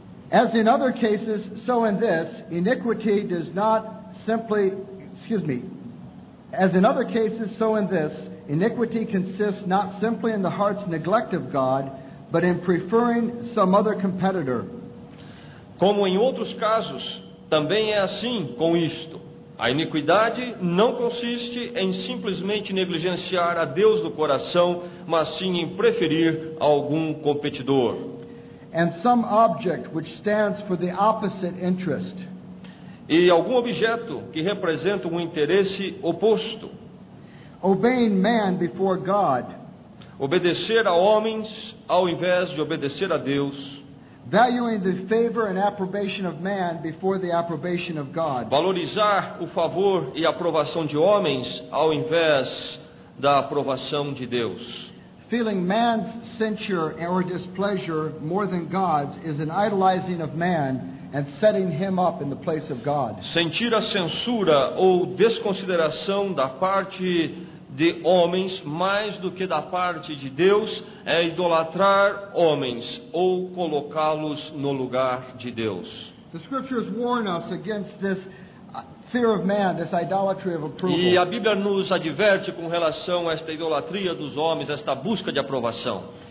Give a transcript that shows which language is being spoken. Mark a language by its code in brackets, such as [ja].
[en] As in other cases, so in this, iniquity does not simply, excuse me, as in other cases, so in this, iniquity consists not simply in the heart's neglect of God, but in preferring some other competitor. [pt] Como em outros casos, também é assim com isto. A iniquidade não consiste em simplesmente negligenciar a Deus do coração, mas sim em preferir algum competidor. [en] And some object which stands for the opposite interest. [pt] E algum objeto que representa um interesse oposto. [en] Obeying man before God. [pt] Obedecer a homens ao invés de obedecer a Deus. [en] Valuing the favor and approbation of man before the approbation of God. [pt] Valorizar o favor e a aprovação de homens ao invés da aprovação de Deus. [en] Feeling man's censure or displeasure more than God's is an idolizing of man and setting him up in the place of God. [pt] Sentir a censura ou desconsideração da parte de homens mais do que da parte de Deus é idolatrar homens ou colocá-los no lugar de Deus. [en] The scriptures warn us against this fear of man, this idolatry of approval. [pt] E a Bíblia nos adverte com relação a esta idolatria dos homens, esta busca de aprovação.